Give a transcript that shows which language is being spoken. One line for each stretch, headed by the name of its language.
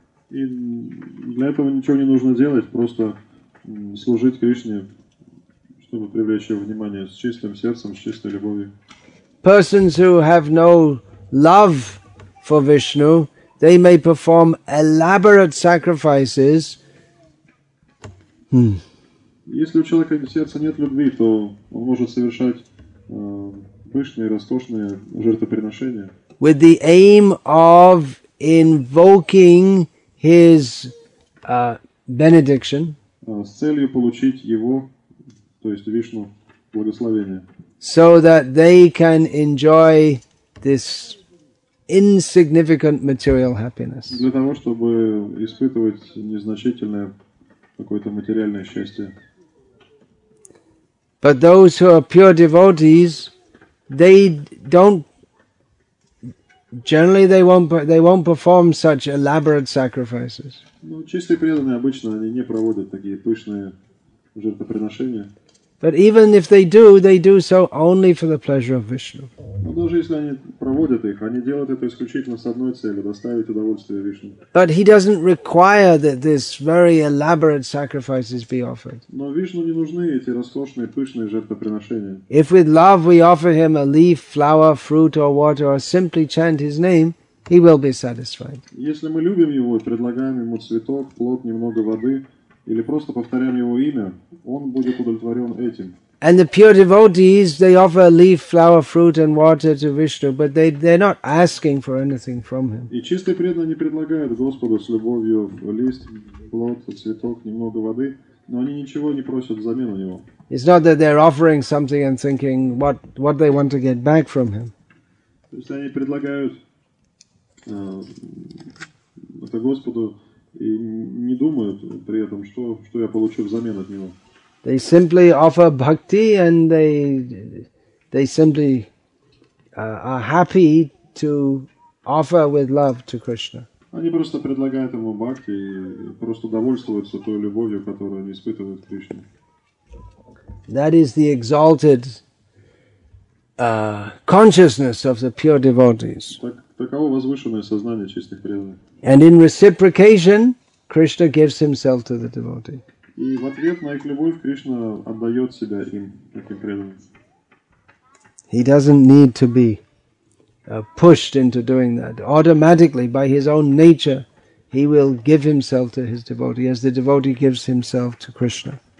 Russian: И для этого ничего не нужно делать, просто служить Кришне, чтобы привлечь его внимание с чистым сердцем, с чистой любовью.
English: Persons who have no love for Vishnu, they may perform elaborate sacrifices.
Russian: Если у человека сердца нет любви, то он может совершать пышные, роскошные жертвоприношения.
English: With the aim of invoking his benediction.
Russian: С целью получить его, то есть Вишну, благословение.
English: So that they can enjoy this insignificant material happiness.
Russian: Для того, чтобы испытывать незначительное какое-то материальное счастье.
English: But those who are pure devotees, they don't generally they won't perform such elaborate sacrifices.
Russian: Ну, чистые преданные обычно они не проводят такие пышные жертвоприношения.
English: But even if they do so only for the pleasure of Vishnu.
Russian: Но даже если они проводят их, они делают это исключительно с одной целью — доставить удовольствие Вишну.
English: But he doesn't require that this very elaborate sacrifices be offered.
Russian: Но Вишну не нужны эти роскошные пышные жертвоприношения.
English: If with love we offer him a leaf, flower, fruit or water, or simply chant his name, he will be satisfied.
Russian: Если мы любим его и предлагаем ему цветок, плод, немного воды, или просто повторяем его имя, он будет удовлетворен этим.
English: And the pure devotees, they offer leaf, flower, fruit and water to Vishnu, but they're not asking for anything from him.
Russian: И чистые преданные не предлагают Господу с любовью лист, плод, цветок, немного воды, но они ничего не просят взамен у него.
English: It's not that they're offering something and thinking what they want to get back from him.
Russian: То есть они предлагают это Господу и не думают при этом, что я получу взамен от него.
English: They simply offer bhakti and they simply are happy to offer with love to Krishna.
Russian: Они просто предлагают ему бхакти и просто довольствуются той любовью, которую они испытывают к Кришне.
English: That is the exalted consciousness of the pure devotees.
Russian: Таково возвышенное сознание чистых преданных.
English: And in reciprocation, Krishna gives himself to the devotee.
Russian: И в ответ на их любовь Кришна отдает себя им, таким преданным.
English: He doesn't need to be pushed into doing that. Automatically, by his own nature, he will give himself to his devotee, as the devotee gives himself to Krishna.